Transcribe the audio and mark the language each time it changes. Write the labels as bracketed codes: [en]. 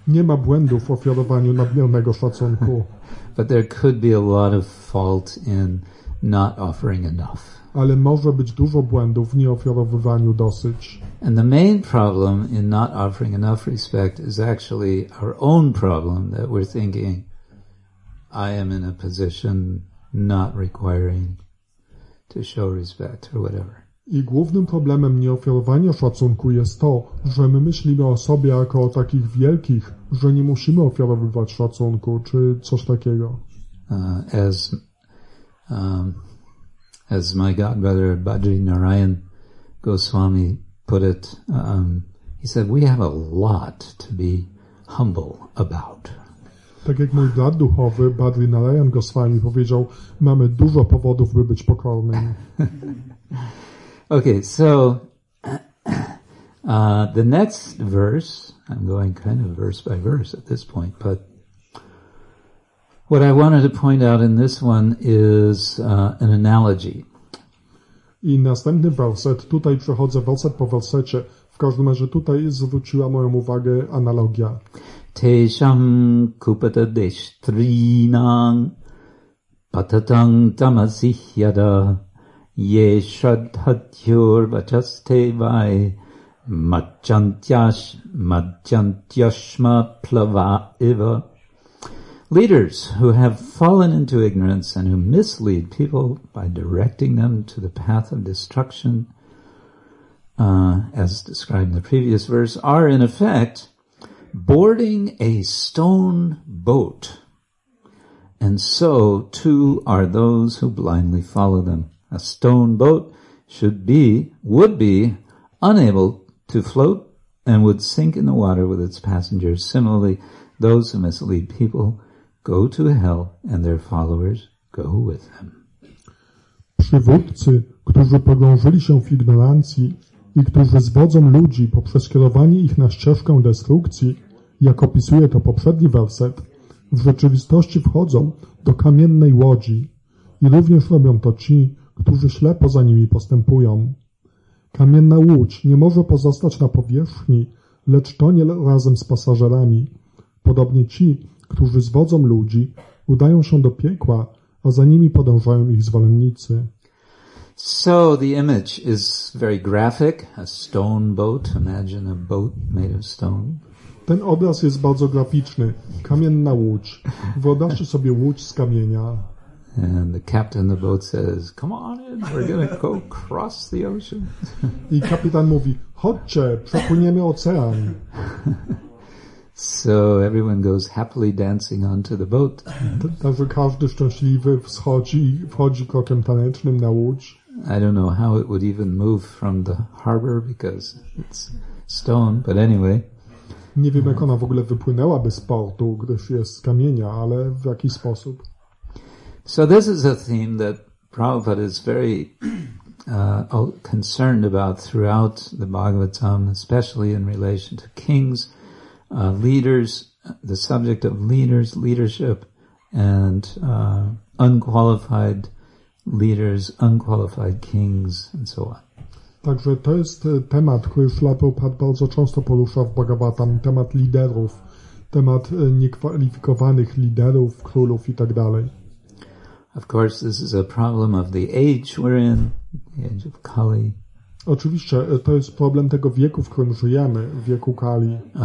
[pl] Nie ma błędu w ofiarowaniu nadmiernego szacunku. [en] But there could be a lot of fault in not offering enough. [pl] Ale może być dużo błędów w nieofiarowywaniu dosyć. [en] And the main problem in not offering enough respect is actually our own problem that we're thinking, I am in a position not requiring to show respect or whatever. [pl] I głównym problemem nieofiarowania szacunku jest to, że my myślimy o sobie jako o takich wielkich, że nie musimy ofiarowywać szacunku czy coś takiego. [en] As as my godbrother Badri Narayan Goswami put it, he said, we have a lot to be humble about. [pl] Tak jak mój brat duchowy Badri Narayan Goswami powiedział, mamy dużo powodów, by być pokornym. [en] Okay, so the next verse, I'm going kind of verse by verse at this point, but what I wanted to point out in this one is an analogy. [pl] I następny werset, tutaj przechodzę werset po wersecie, w każdym razie tutaj zwróciła moją uwagę analogia. [sa] Tesham kupata deshtrinam patatam tamasihyada ye shadhatyur vachaste vai machantyashma plava eva. [en] Leaders who have fallen into ignorance and who mislead people by directing them to the path of destruction, as described in the previous verse, are in effect boarding a stone boat. And so too are those who blindly follow them. A stone boat would be unable to float and would sink in the water with its passengers. Similarly, those who mislead people go to hell and their followers go with them. [pl] Przywódcy, którzy pogrążyli się w ignorancji i którzy zwodzą ludzi poprzez kierowanie ich na ścieżkę destrukcji, jak opisuje to poprzedni werset, w rzeczywistości wchodzą do kamiennej łodzi i również robią to ci, którzy ślepo za nimi postępują. Kamienna łódź nie może pozostać na powierzchni, lecz tonie razem z pasażerami. Podobnie ci, którzy zwodzą ludzi, udają się do piekła, a za nimi podążają ich zwolennicy. [en] So the image is very graphic, a stone boat. Imagine a boat made of stone. [pl] Ten obraz jest bardzo graficzny. Kamienna łódź. Wyobraźcie sobie łódź z kamienia. [en] And the captain of the boat says, come on in, we're going to go cross the ocean. [pl] I kapitan mówi, chodźcie, przepłyniemy ocean. [en] So everyone goes happily dancing onto the boat. [pl] Także każdy szczęśliwy wchodzi krokiem tanecznym na łódź. [en] I don't know how it would even move from the harbor because it's stone, but anyway. [pl] Nie wiem, jak ona w ogóle wypłynęłaby z portu, gdyż jest z kamienia, ale w jaki sposób. [en] So this is a theme that Prabhupada is very concerned about throughout the Bhagavatam, especially in relation to kings. Leaders, the subject of leaders, leadership, and unqualified leaders, unqualified kings, and so on. [pl] Także to jest temat, który Prabhupada bardzo często porusza w Bhagavatam, temat liderów, temat niekwalifikowanych liderów, królów i tak dalej. [en] Of course, this is a problem of the age we're in, the age of Kali. [pl] Oczywiście, to jest problem tego wieku, w którym żyjemy, wieku Kali.